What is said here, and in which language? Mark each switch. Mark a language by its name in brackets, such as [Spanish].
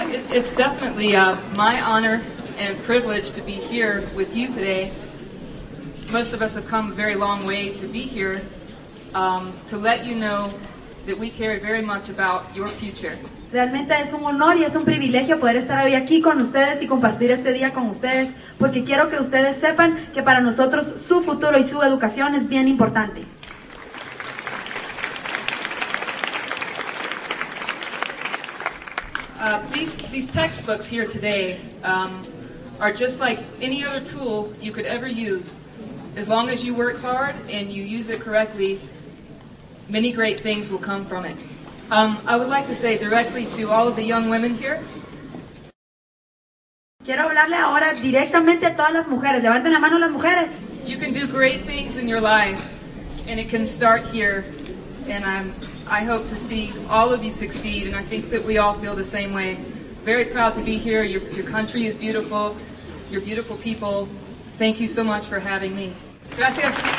[English] It's definitely my honor and privilege to be here with you today. Most of us have come a very long way to be here to let you know that we care very much about your future. [Spanish] Realmente es un honor y es un privilegio poder estar hoy aquí con ustedes y compartir este día con ustedes, porque quiero que ustedes sepan que para nosotros su futuro y su educación es bien importante. [English] These textbooks here today are just like any other tool you could ever use. As long as you work hard and you use it correctly, many great things will come from it. I would like to say directly to all of the young women here. [Spanish] Quiero hablarle ahora directamente a todas las mujeres. Levanten la mano las mujeres. [English] You can do great things in your life, and it can start here. And I hope to see all of you succeed, and I think that we all feel the same way. Very proud to be here. Your country is beautiful. You're beautiful people. Thank you so much for having me. [Spanish] Gracias.